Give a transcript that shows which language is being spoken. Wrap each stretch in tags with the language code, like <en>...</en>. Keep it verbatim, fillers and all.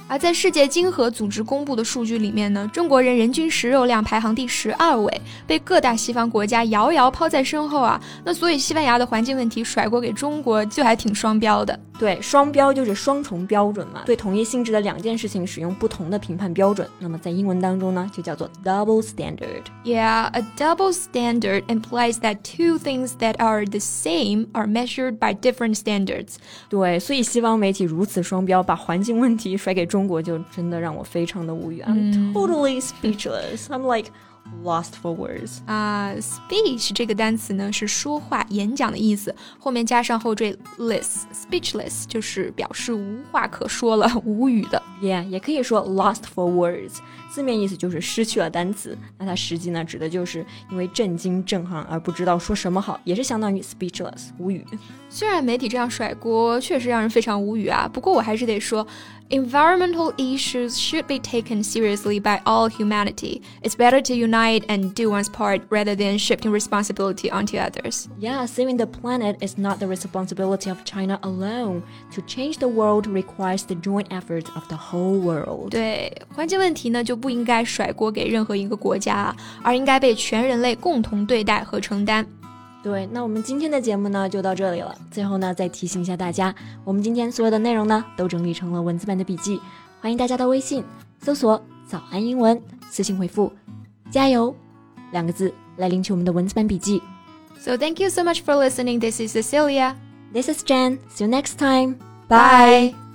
<zh>而在世界经合组织公布的数据里面呢，中国人人均食肉量排行第十十二位，被各大西方国家遥遥抛在身后啊，那所以西班牙的环境问题甩锅给中国就还挺双标的。对，双标就是双重标准嘛，对同一性质的两件事情使用不同的评判标准，那么在英文当中呢就叫做 double standard.</zh> <en>Yeah, a double standard implies that two things that are the same are measured by different standards.</en> <zh>对，所以西方媒体如此双标，把环境问题甩给中国，就真的让我非常的无语。</zh> <en>I'm totally speechless. I'm like... Lost for words.</en> <zh>Uh, speech 这个单词呢是说话演讲的意思，后面加上后缀 less, speechless 就是表示无话可说了，无语的。 Yeah, 也可以说 lost for words, 字面意思就是失去了单词，那它实际呢指的就是因为震惊震撼而不知道说什么好，也是相当于 speechless, 无语。虽然媒体这样甩锅确实让人非常无语啊，不过我还是得说</zh> <en>Environmental issues should be taken seriously by all humanity. It's better to unite and do one's part rather than shifting responsibility onto others. Yeah, saving the planet is not the responsibility of China alone. To change the world requires the joint efforts of the whole world.</en> <zh>对，环境问题呢，就不应该甩锅给任何一个国家，而应该被全人类共同对待和承担。对，那我们今天的节目呢就到这里了。最后呢再提醒一下大家，我们今天所有的内容呢都整理成了文字版的笔记，欢迎大家到微信搜索早安英文，私信回复加油两个字来领取我们的文字版笔记。</zh> <en>So thank you so much for listening. This is Cecilia. This is Jen. See you next time. Bye. Bye.</en>